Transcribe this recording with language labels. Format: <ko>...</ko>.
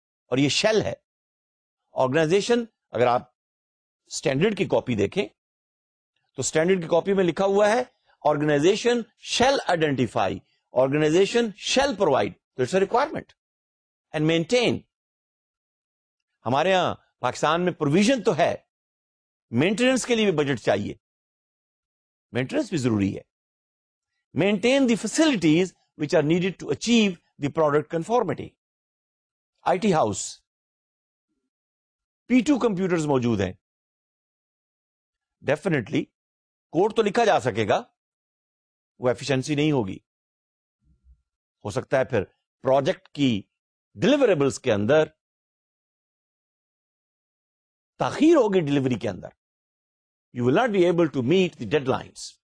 <ur>اور یہ شیل ہے آرگنائزیشن. اگر آپ اسٹینڈرڈ کی کاپی دیکھیں تو اسٹینڈرڈ کی کاپی میں لکھا ہوا ہے</ur> <en>organisation shall identify, organisation shall provide,</en> <ur>تو</ur> <en>It's a requirement and maintain.</en> <ur>ہمارے یہاں پاکستان میں پروویژن تو ہے, مینٹیننس کے لیے بھی بجٹ چاہیے, مینٹیننس بھی ضروری ہے.</ur> <en>Maintain the facilities which are needed to achieve the product conformity.</en> <ur>I T house, P two computers موجود ہیں, ڈیفینیٹلی کوڈ تو لکھا جا سکے گا, وہ ایفیشنسی نہیں ہوگی. ہو سکتا ہے پھر پروجیکٹ کی ڈلیوریبلز کے اندر تاخیر ہوگی, ڈلیوری کے اندر</ur> <en>You will not be able to meet the deadlines.</en>